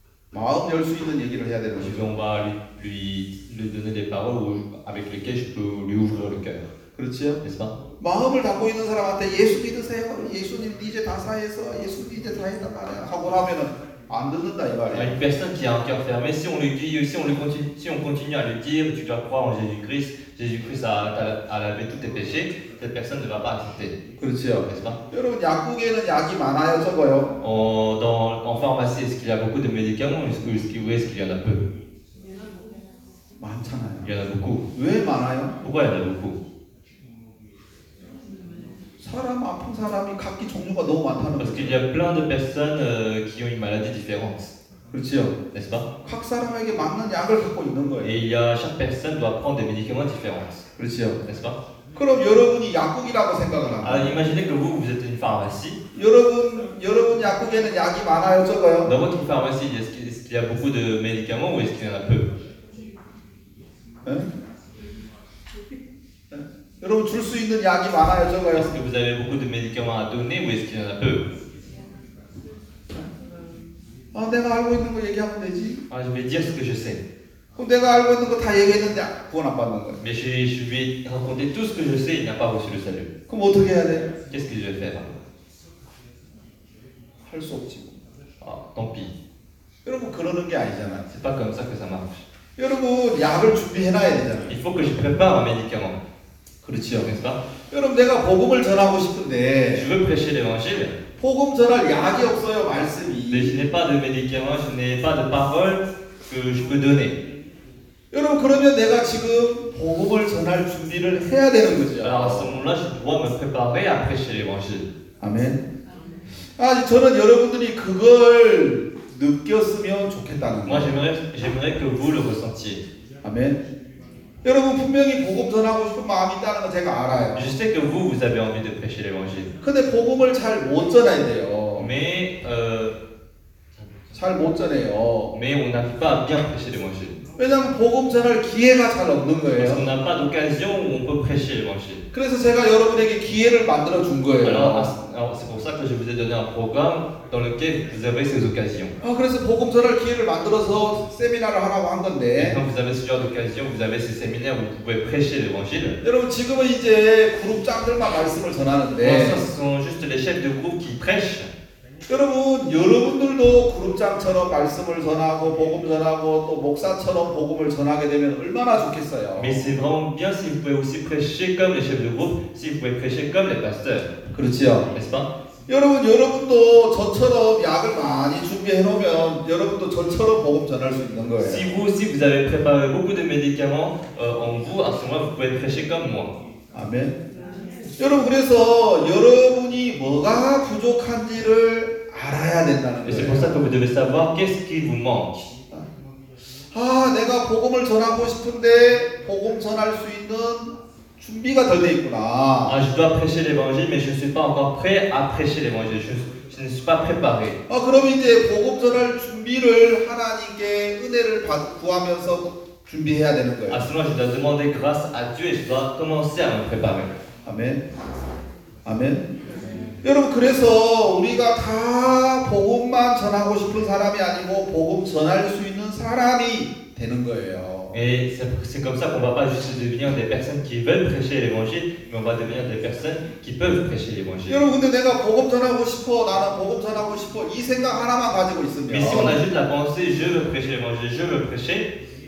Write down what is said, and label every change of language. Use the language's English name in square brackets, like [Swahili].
[Korean] 마음 열 수 있는 얘기를 해야 되는 거죠. [French] On va lui donner des paroles avec lesquelles je peux lui ouvrir le cœur. [Korean] 그렇죠? [French] N'est-ce pas? [Korean] 마음을 닫고 있는 사람한테 예수 믿으세요. 예수님 이제 다 사해서 예수 이제 다 했단 말이야. 하고 하면은 안 듣는다 이 말이야. [French] Une personne qui a un cœur fermé, si on lui dit, si on continue à lui dire, tu dois croire en Jésus-Christ, Jésus-Christ a lavé tous tes péchés, cette personne ne va pas accepter. [Korean] 그렇죠. [French] N'est-ce pas? [Korean] 여러분 약국에는 약이 많아요, 적어요? [French] En pharmacie, est-ce qu'il y a beaucoup de médicaments ou est-ce qu'il y en a peu? [Korean] 많잖아요. [French] Il y en a beaucoup. [Korean] 왜 많아요? [French] Pourquoi il y en a beaucoup? [Korean] 사람 아픈 사람이 각기 종류가 너무 많다는 [French] Parce qu'il y a plein de personnes qui ont une maladie différente. [Korean] 그렇죠. [French] N'est-ce pas? [Korean] 각 사람에게 맞는 약을 갖고 있는 거예요. [French] Et il y a chaque personne doit prendre des médicaments différents. [Korean] 그렇죠. [French] N'est-ce pas? [Korean] 그럼 여러분이 약국이라고 생각을 하면 [French] Alors imaginez que vous êtes une pharmacie. [Korean] 여러분 약국에는 약이 많아요, 적어요? [French] Dans votre pharmacie, est-ce qu'il y a beaucoup de médicaments ou est-ce qu'il y en a peu? [Korean] 여러분 줄 수 있는 약이 많아요, 적어요? [French] Est-ce que vous avez beaucoup de médicaments à donner ou est-ce qu'il y en a peu? [Korean] 아, 내가 알고 있는 거 얘기하면 되지. [French] Ah, je vais dire ce que je sais. [Korean] 그럼 내가 알고 있는 거 다 얘기했는데 구원 안 받는 거야. [French] Mais je vais raconter tout ce que je sais, il n'a pas reçu le salut. [Korean] 그럼 어떻게 해야 돼? [French] Qu'est-ce que je vais faire? [Korean] 할 수 없지. [French] Ah, tant pis. [Korean] 여러분 그러는 게 아니잖아. [French] C'est pas comme ça que ça marche. [Korean] 여러분, 약을 준비해 놔야 되잖아요. [French] Il faut que je prépare un médicament. [Korean] 그렇죠, 그렇죠? 여러분, 내가 복음을 전하고 싶은데. [French] Je veux prêcher l'évangile. [Korean] 복음 전할 약이 없어요, 말씀이. [French] Mais je n'ai pas de médicament, je n'ai pas de parole que je peux donner. [Korean] 여러분, 그러면 내가 지금 복음을 전할 준비를 해야 되는 거죠. [French] Alors, à ce moment-là, je dois me préparer à prêcher l'évangile. Amen. [Korean] 아, 저는 여러분들이 그걸 느꼈으면 좋겠다는 거. [French] Moi, j'aimerais que vous le ressentiez. Amen. [Korean] 여러분 분명히 복음 전하고 싶은 마음이 있다는 거 제가 알아요. [French] Je sais que vous avez envie de prêcher l'évangile. [Korean] 근데 복음을 잘 못 전해야 돼요. [French] Mais [Korean] 잘 못 전해요. [French] Mais on n'arrive pas à bien prêcher l'évangile. [Korean] 왜냐면 복음 전할 기회가 잘 없는 거예요. [French] Parce qu'on n'a pas d'occasion où on peut prêcher l'évangile. [Korean] 그래서 제가 여러분에게 기회를 만들어 준 거예요. [French] Alors, c'est pour ça que je vous ai donné un programme dans lequel vous avez ces occasions. [Korean] 아, 그래서 복음 전할 기회를 만들어서 세미나를 하라고 한 건데. [French] Et quand vous avez ce genre d'occasion, vous avez ces séminaires où vous pouvez prêcher l'évangile. [Korean] 여러분 지금은 이제 그룹장들만 말씀을 전하는데. [French] Bon, ce sont juste les chefs de groupe qui prêchent. [Korean] 여러분, 여러분들도 그룹장처럼 말씀을 전하고 복음 전하고 또 목사처럼 복음을 전하게 되면 얼마나 좋겠어요. [French] Mais c'est vraiment bien si vous pouvez aussi prêcher comme les chefs de groupe, si vous pouvez prêcher comme les pasteurs. [Korean] 그렇지요. [French] N'est-ce pas? [Korean] 여러분, 여러분도 저처럼 약을 많이 준비해 놓으면 여러분도 저처럼 복음 전할 수 있는 거예요. [French] Si vous aussi vous avez préparé beaucoup de médicaments en vous, à ce moment vous pouvez prêcher comme moi. Amen. [Korean] 여러분 그래서 여러분이 뭐가 부족한지를 알아야 된다는 거예요. 아, 내가 복음을 전하고 싶은데 복음 전할 수 있는 준비가 덜 돼 있구나. [French] 아, je dois prêcher l'évangile mais je suis pas encore prêt à prêcher l'évangile. Je ne suis pas préparé. [Korean] 아, 그럼 이제 복음 전할 준비를 하나님께 은혜를 구하면서 준비해야 되는 거예요. [French] À ce moment, je dois demander grâce à Dieu et je dois commencer à me préparer. [Korean] 아멘. 아멘. 여러분 그래서 우리가 다 복음만 전하고 싶은 사람이 아니고 복음 전할 수 있는 사람이 되는 거예요. [French] Et c'est comme ça qu'on va pas juste devenir des personnes qui veulent prêcher l'évangile, mais on va devenir des personnes qui peuvent prêcher l'évangile. [Korean] 여러분 근데 내가 복음 전하고 싶어, 나는 복음 전하고 싶어 이 생각 하나만 가지고 있으면. [French] Mais si on a juste la pensée je veux prêcher l'évangile, je veux prêcher.